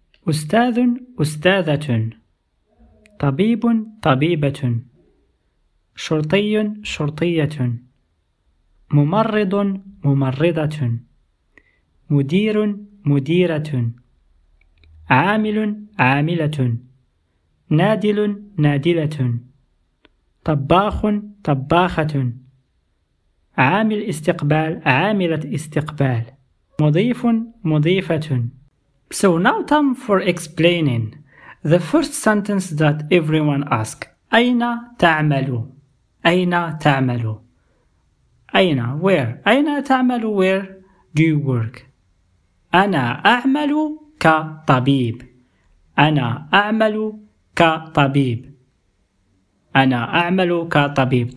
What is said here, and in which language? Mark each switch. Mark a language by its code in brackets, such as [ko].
[ar] أستاذ أستاذة طبيب طبيبة شرطي شرطية ممرض ممرضة مدير مديرة عامل عاملة نادل نادلة طباخ طباخة عامل استقبال عاملة استقبال مضيف مضيفة. [en] So now time for explaining the first sentence that everyone asks. [ar] أين تعمل؟ أين تعمل؟ أين؟ [en] Where؟ [ar] أين تعمل؟ [en] Where do you work؟ [ar] أنا أعمل كطبيب. أنا أعمل كطبيب. أنا أعمل كطبيب.